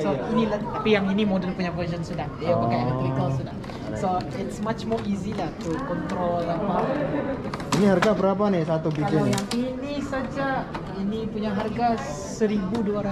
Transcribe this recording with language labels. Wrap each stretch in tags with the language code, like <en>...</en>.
<ms>So ini tapi yang ini modern punya version sudah. Dia pakai electrical sudah.</ms> <en>So it's much more easy lah to control apa.</en> <ms>Ini harga berapa nih satu biji? Kalau yang ini saja ini punya harga 1,278.</ms>